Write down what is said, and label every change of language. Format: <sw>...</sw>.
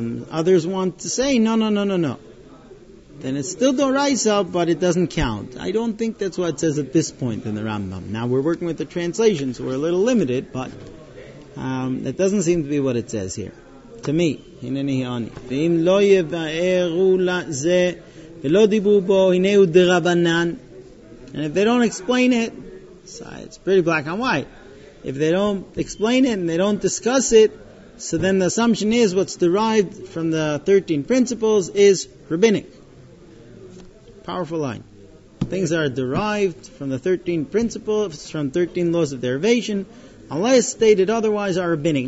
<en>Others want to say, no. Then it's still Doraisa, but it doesn't count. I don't think that's what it says at this point in the Rambam. Now, we're working with the translation, so we're a little limited, but that doesn't seem to be what it says here.</en> <he>To me, הנני העוני. ואם לא יבארו לזה ולא דיברו בו, הנה הוא דרבנן.</he> <en>And if they don't explain it, it's pretty black and white. If they don't explain it and they don't discuss it, so then the assumption is what's derived from the 13 principles is rabbinic. Powerful line. Things are derived from the 13 principles, from 13 laws of derivation, unless stated otherwise are rabbinic.</en>